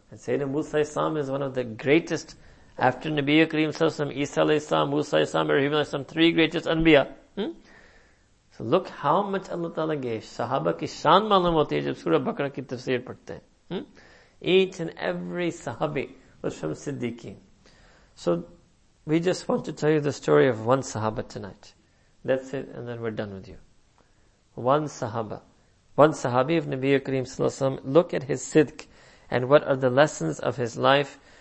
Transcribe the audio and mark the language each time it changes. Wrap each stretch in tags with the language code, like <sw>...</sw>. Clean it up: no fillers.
<en>And Sayyidina Musa alayhi salam is one of the greatest after Nabi Kareem sallallahu alayhi wa sallam, Isa alayhi salam, Musa alayhi salam, Ibrahim alayhi salam, three greatest anbiya. Look how much Allah Ta'ala gave.</en> <ur>صحابہ کی شان معلوم ہوتی ہے جب سورہ بقرہ کی تفسیر پڑھتے ہیں۔</ur> <en>Each and every sahabi was from Siddiqeen. So we just want to tell you the story of one sahaba tonight. That's it, and then we're done with you. One sahaba. One sahabi of Nabi Kareem sallallahu alayhi wa sallam. Look at his sidq and what are the lessons of his life.</en>